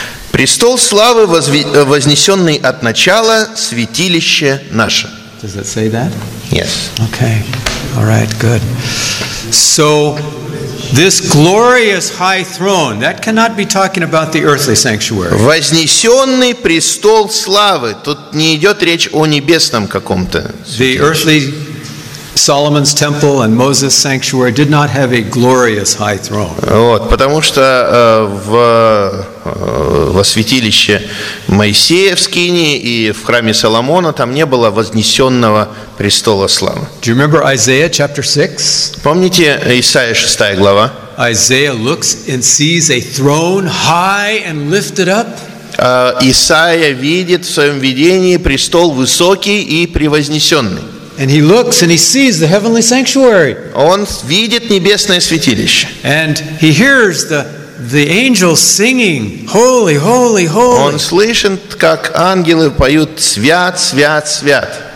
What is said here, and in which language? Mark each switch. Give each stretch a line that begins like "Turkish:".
Russian: Престол славы вознесенный от начала святилище наше.
English: Does it say that? Yes. Okay. All right. Good. So. This glorious high throne, that cannot be talking about the earthly sanctuary.
Russian: Вознесенный престол славы. Тут не идет речь о небесном каком-то.
English: The earthly Solomon's temple and Moses' sanctuary did not have a glorious high throne.
Russian: Вот, потому что во святилище Моисея в скинии и в храме Соломона там не было вознесенного престола славы.
English: Do you remember Isaiah chapter 6?
Russian: Помните Исаия 6 глава?
English: Isaiah looks and sees a throne high and lifted up.
Russian: Исаия видит в своем видении престол высокий и превознесенный.
English: And he looks and he sees the heavenly sanctuary.
Russian: Он видит небесное святилище.
English: And he hears the angels singing, holy, holy, holy.
Russian: Он слышит, как ангелы поют свят, свят, свят.